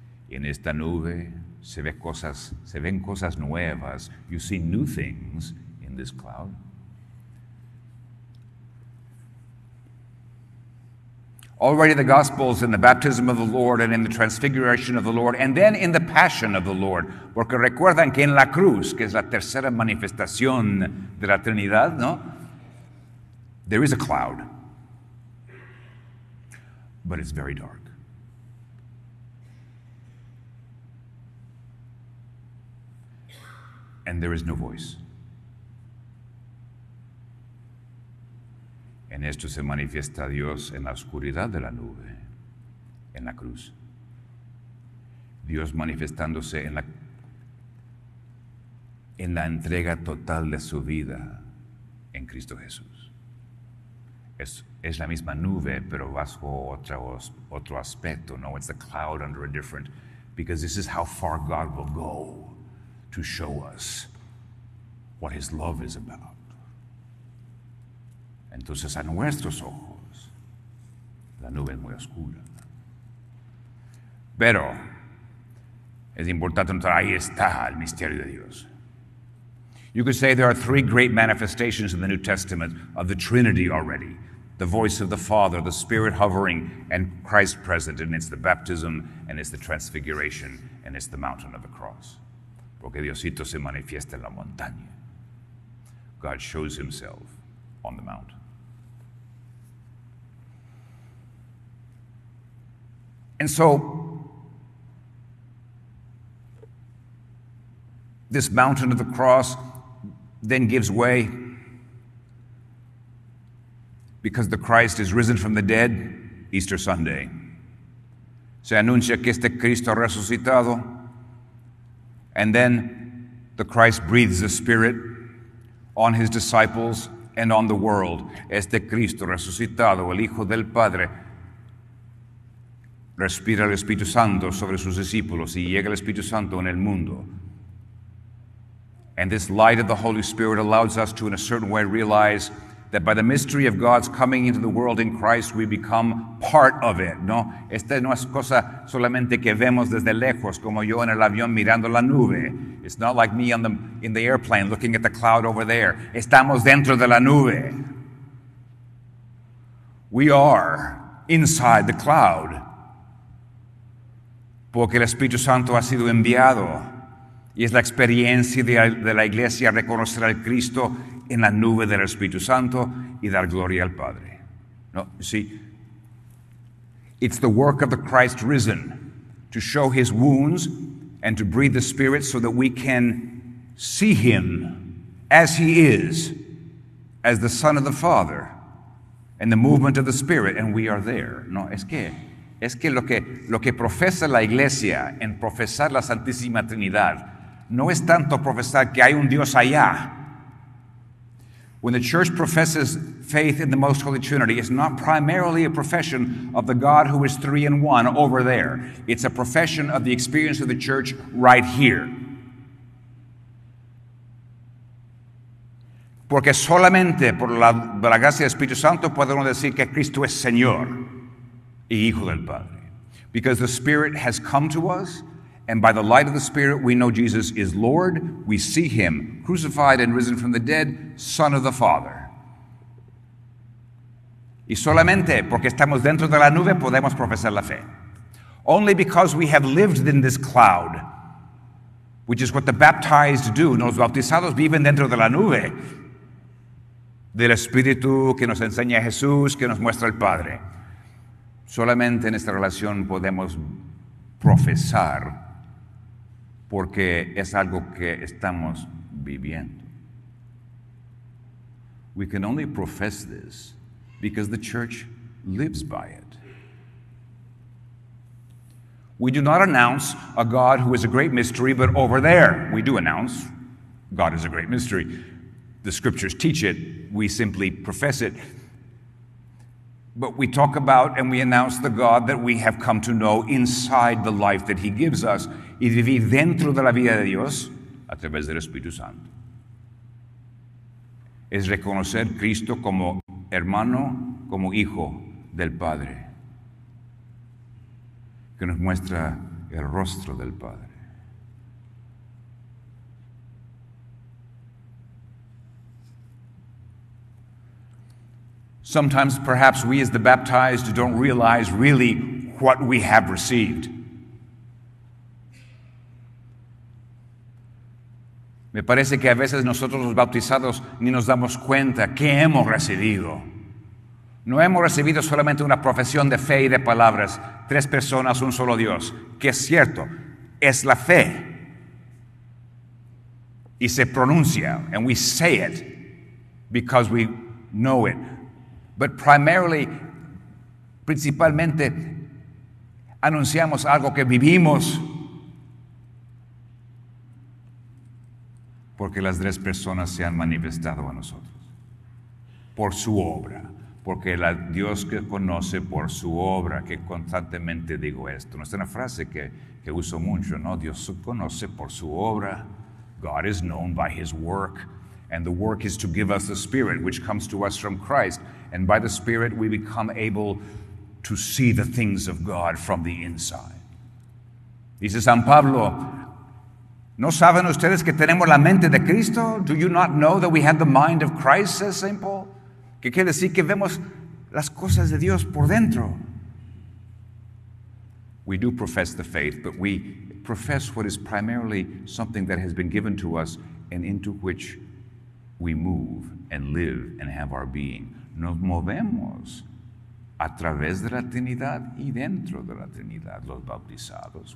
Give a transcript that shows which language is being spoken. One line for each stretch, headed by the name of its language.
Spanish: En esta nube se ven cosas nuevas.
English: You see new things in this cloud. Already the Gospels in the baptism of the Lord and in the transfiguration of the Lord and then in the passion of the Lord.
Spanish: Porque recuerdan que en la cruz, que es la tercera manifestación de la Trinidad, ¿no?
English: There is a cloud. But it's very dark. And there is no voice.
Spanish: En esto se manifiesta Dios en la oscuridad de la nube, en la cruz. Dios manifestándose en la entrega total de su vida en Cristo Jesús. Es la misma nube, pero bajo otro aspecto.
English: No, it's the cloud under a different, because this is how far God will go to show us what his love is about.
Spanish: Entonces, a nuestros ojos, la nube es muy oscura. Pero, Es importante notar, ahí está el misterio de Dios.
English: You could say there are three great manifestations in the New Testament of the Trinity already. The voice of the Father, the Spirit hovering, and Christ present, and it's the baptism, and it's the transfiguration, and it's the mountain of the cross.
Spanish: Porque Diosito se manifiesta en la montaña.
English: God shows himself on the mountain. And so, this mountain of the cross then gives way, because the Christ is risen from the dead, Easter Sunday.
Spanish: Se anuncia que este Cristo resucitado,
English: and then the Christ breathes the Spirit on his disciples and on the world.
Spanish: Este Cristo resucitado, el Hijo del Padre, respira el Espíritu Santo sobre sus discípulos y llega el Espíritu Santo en el mundo.
English: And this light of the Holy Spirit allows us to, in a certain way, realize that by the mystery of God's coming into the world in Christ, we become part of it.
Spanish: No, esta no es cosa solamente que vemos desde lejos, como yo en el avión mirando la nube.
English: It's not like me in the airplane looking at the cloud over there.
Spanish: Estamos dentro de la nube.
English: We are inside the cloud.
Spanish: Porque el Espíritu Santo ha sido enviado. Y es la experiencia de la iglesia reconocer al Cristo en la nube del Espíritu Santo y dar gloria al Padre.
English: No, you see, it's the work of the Christ risen to show his wounds and to breathe the Spirit so that we can see him as he is, as the Son of the Father, and the movement of the Spirit, and we are there.
Spanish: No, es que lo que profesa la iglesia en profesar la Santísima Trinidad no es tanto profesar que hay un Dios allá.
English: When the church professes faith in the Most Holy Trinity, it's not primarily a profession of the God who is three in one over there. It's a profession of the experience of the church right here.
Spanish: Porque solamente por la gracia del Espíritu Santo podemos decir que Cristo es Señor y Hijo del Padre.
English: Because the Spirit has come to us, and by the light of the Spirit, we know Jesus is Lord. We see him crucified and risen from the dead, Son of the Father.
Spanish: Y solamente porque estamos dentro de la nube podemos profesar la fe.
English: Only because we have lived in this cloud, which is what the baptized do.
Spanish: Los bautizados viven dentro de la nube del Espíritu que nos enseña Jesús, que nos muestra el Padre. Solamente en esta relación podemos profesar, porque es algo que estamos viviendo.
English: We can only profess this because the church lives by it. We do not announce a God who is a great mystery, but over there we do announce God is a great mystery. The scriptures teach it, we simply profess it. But we talk about and we announce the God that we have come to know inside the life that he gives us.
Spanish: Y vivir dentro de la vida de Dios a través del Espíritu Santo. Es reconocer Cristo como hermano, como hijo del Padre. Que nos muestra el rostro del Padre.
English: Sometimes, perhaps, we as the baptized don't realize really what we have received.
Spanish: Me parece que a veces nosotros los bautizados ni nos damos cuenta qué hemos recibido. No hemos recibido solamente una profesión de fe y de palabras, tres personas, un solo Dios, que es cierto, es la fe. Y se pronuncia,
English: and we say it because we know it. But primarily,
Spanish: principalmente, anunciamos algo que vivimos porque las tres personas se han manifestado a nosotros por su obra, porque la Dios que conoce por su obra, que constantemente digo esto, no es una frase que uso mucho, no, Dios conoce por su obra.
English: God is known by his work. And the work is to give us the Spirit, which comes to us from Christ. And by the Spirit, we become able to see the things of God from the inside.
Spanish: Dice San Pablo, ¿no saben ustedes que tenemos la mente de Cristo?
English: Do you not know that we have the mind of Christ, says St.
Spanish: Paul? ¿Qué quiere decir? Que vemos las cosas de Dios por dentro.
English: We do profess the faith, but we profess what is primarily something that has been given to us and into which we move and live and have our being.
Spanish: Nos movemos a través de la Trinidad y dentro de la Trinidad, los bautizados.